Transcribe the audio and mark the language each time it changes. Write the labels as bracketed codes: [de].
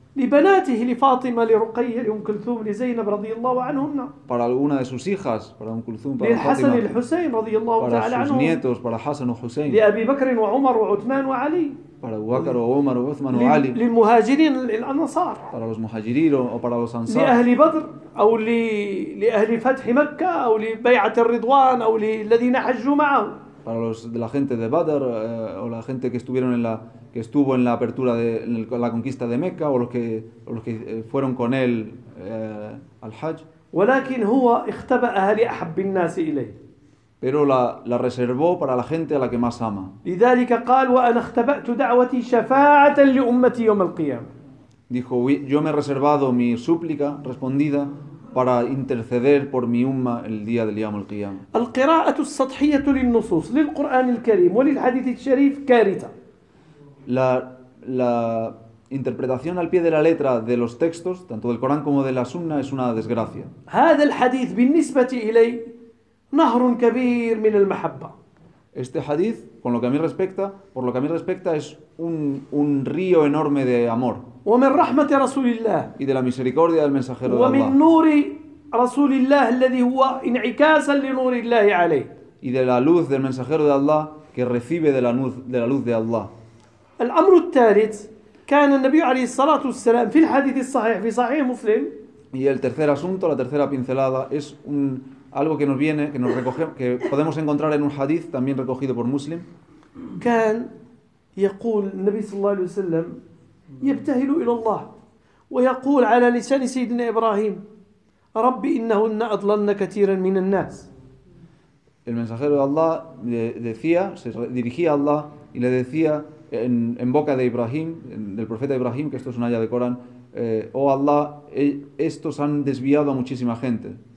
[es] Para alguna de sus hijas, para Umm Kulthum, para Fátima, para sus nietos, para Hassan o Hussein, para Abu Bakr o Umar o Uthman o Ali, para los Muhajirin o para los Ansar, [ar] أو لأهل فتح مكة أو لبيعة الرضوان أو للذين حجوا معه. [es] Para los de la gente de Badr o la gente que estuvieron en la que estuvo en la apertura de en la conquista de Mecca o los que fueron con él al Hajj. [ar] ولكن هو اختبأها لأحب الناس إليه. [es] Pero la reservó para la gente a la que más ama. [ar] لذلك قال وأنا اختبأت دعوتي شفاعة لأمتي يوم القيامة. [es] Dijo, yo me he reservado mi súplica respondida para interceder por mi umma el día del Yawm al-Qiyam. [ar] القراءه السطحيه للنصوص للقران الكريم وللحديث الشريف كارثه. [es] La interpretación al pie de la letra de los textos, tanto del Corán como de la Sunna, es una desgracia. [ar] هذا الحديث بالنسبه الي نهر كبير من المحبه. [es] Este hadith, con lo que a mí respecta, por lo que a mí respecta, es un río enorme de amor. [ar] ومن رحمة رسول الله. [es] Y de la misericordia del mensajero [ar] ومن [es] de Allah. [ar] نور رسول الله الذي هو انعكاسا لنور الله عليه. [es] Y de la luz del mensajero de Allah que recibe de la luz de Allah. [ar] الأمر الثالث كان النبي عليه الصلاة والسلام في الحديث الصحيح في صحيح مسلم. [es] Y el tercer asunto, la tercera pincelada, es un algo que nos viene, que nos recoge, que podemos encontrar en un hadith también recogido por Muslim. [ar] كان يقول النبي صلى الله عليه وسلم يبتهل إلى الله ويقول على لسان سيدنا إبراهيم رب إنهن أضلن كثيرا من الناس. [es] El mensajero de Allah decía, se dirigía a Allah y le decía en boca de Ibrahim, del profeta Ibrahim, que esto es una aya de Corán, oh Allah, estos han desviado a muchísima gente.